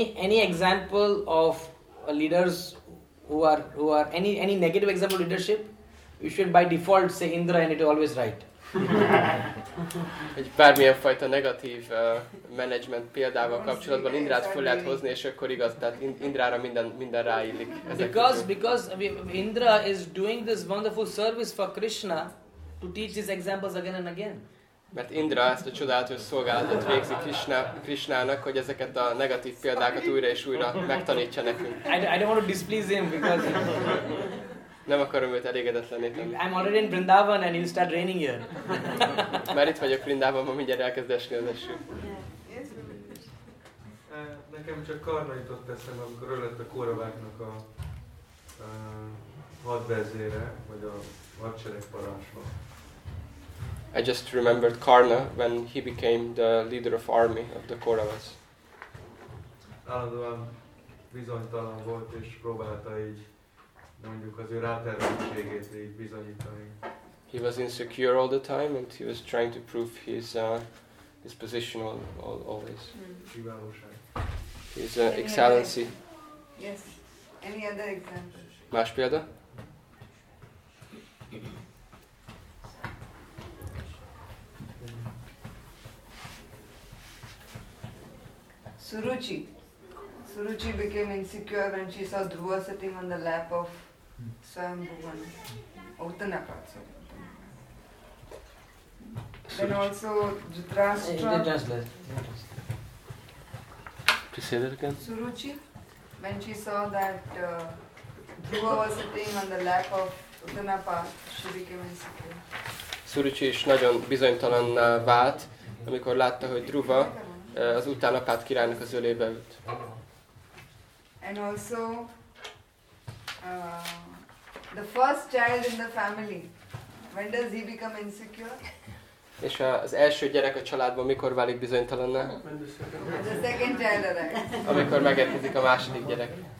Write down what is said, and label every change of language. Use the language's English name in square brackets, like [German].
[English] Any example of leaders who are any negative example leadership, you should by default say Indra and it always right. [Hungarian] Egy bármilyen fajta negatív management példával kapcsolatban Indrát föl lehet hozni, és akkor igaz, tehát Indrára minden ráillik. [English] Because Indra is doing this wonderful service for Krishna to teach his examples again and again. [Hungarian] Mert Indra ezt a csodálatos szolgálatot végzi Krishnának, hogy ezeket a negatív példákat újra és újra megtanítsa nekünk. [English] I don't want to displease him because... [Hungarian] Nem akarom őt elégedetlenni. [English] I'm already in Vrindavan and it'll start raining here. [Hungarian] Már itt vagyok Vrindavanban, mindjárt elkezd esni az eső. Nekem csak Karna jutott eszembe, amikor ölett a Kauravaknak a hadvezére, vagy a hadsereg parancsnok. [English] I just remembered Karna when he became the leader of army of the Kauravas. [Hungarian] Állandóan bizonytalan volt és próbálta így mondjuk az ő rátermettségét így bizonyítani. [English] He was insecure all the time and he was trying to prove his position always. [Hungarian] Kiválóság. [English] His excellency. Yes. Any other example? [Hungarian] Más példa? [English] Suruchi. Suruchi became insecure when she saw Dhruva sitting on the lap of Swayambhuvan, Uttanapad. Suruchi, when she saw that Dhruva was sitting on the lap of Uttanapad, she became insecure. [Hungarian] Suruchi is nagyon bizonytalanná vált, amikor látta, hogy Dhruva az Uttanapad királynak az ölébe ült. [English] And also the first child in the family, when does he become insecure? [Hungarian] És az első gyerek a családban mikor válik bizonytalanná? [English] The second child arrives. [Hungarian] Amikor megérkezik a második gyerek.